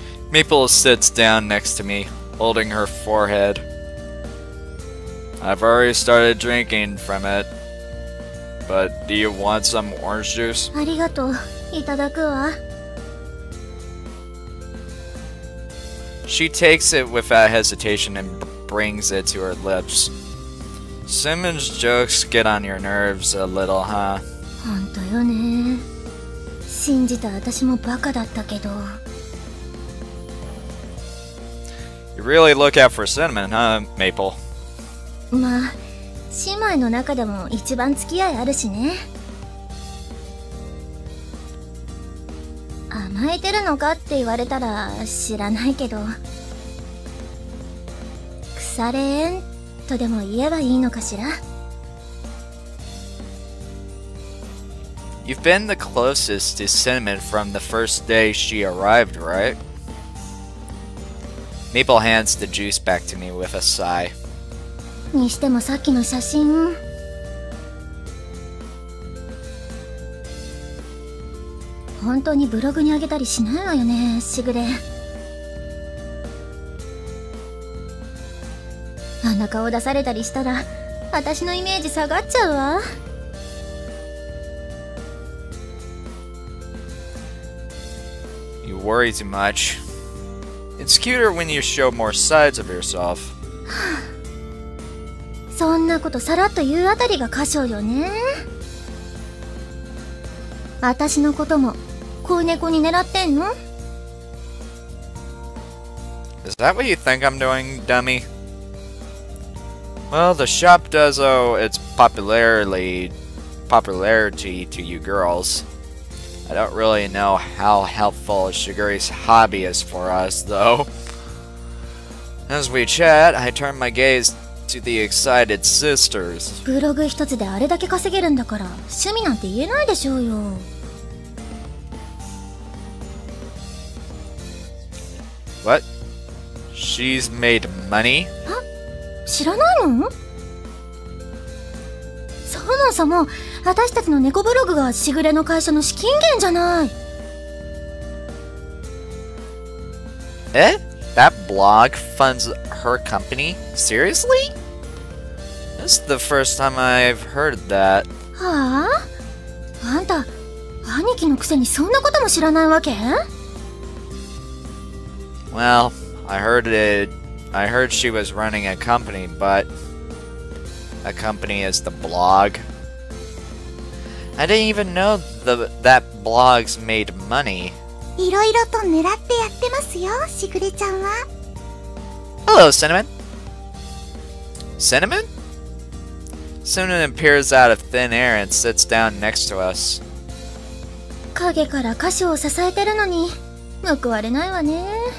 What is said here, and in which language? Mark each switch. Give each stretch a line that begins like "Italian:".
English: Maple sits down next to me, holding her forehead. I've already started drinking from it, but do you want some orange juice?
Japanese: ありがとう。いただくわ。
English: She takes it without hesitation and brings it to her lips. Simmons' jokes get on your nerves a little, huh?
Japanese: 本当よね。信じた私もバカだったけど。
English: You really look out for cinnamon, huh, Maple?
Japanese: まあ、姉妹の中でも一番付き合いあるしね。甘えてるのかって言われたら知らないけど。腐れ縁とでも言えばいいのかしら。
English: You've been the closest to Cinnamon from the first day she arrived, right? Maple hands the juice back to me with a sigh.
Japanese: にしてもさっきの写真。本当にブログにあげたりしないわよね、シグレ。あんな顔出されたりしたら、私のイメージ下がっちゃうわ。
English: You worry too much. It's cuter when you show more sides of yourself.
Japanese: そんなことさらっと言うあたりが過小よね。私のことも、子猫に狙ってんの？
English: Is that what you think I'm doing, dummy? Well, the shop does owe its popularity to you girls. I don't really know how helpful Shigeru's hobby is for us, though. As we chat, I turn my gaze to the excited sisters.
Japanese: ブログ一つであれだけ稼げるんだから、趣味なんて言えないでしょうよ。
English: What? She's made money?
Japanese: あ、知らないの？そもそも、私たちの猫ブログがしぐれの会社の資金源じゃない。
English: え？That blog funds her company? Seriously? This is the first time I've heard that.
Japanese: はあ？あんた、兄貴のくせにそんなことも知らないわけ？
English: Well, I heard she was running a company, but a company is the blog. I didn't even know that blogs made money.
Japanese: いろいろと狙ってやってますよ、しぐれちゃんは。
English: Hello, Cinnamon. Cinnamon? Cinnamon appears out of thin air and sits down next to us.
Japanese: 影から箇所を支えてるのに、報われないわね。